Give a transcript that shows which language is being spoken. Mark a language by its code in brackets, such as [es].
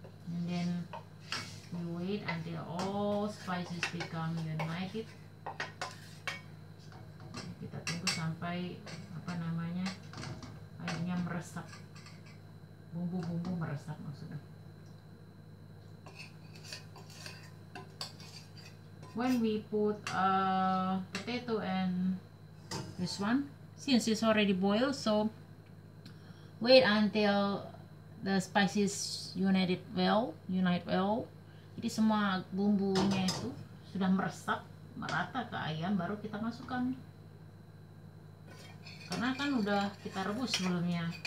[en] And then you wait until all spices become united. [id] Kita tunggu sampai apa namanya, airnya meresap, bumbu-bumbu meresap maksudnya. [en] When we put potato and this one, since it's already boiled, so wait until the spices unite well. [id] Jadi semua bumbunya itu sudah meresap merata ke ayam, baru kita masukkan, karena kan udah kita rebus sebelumnya.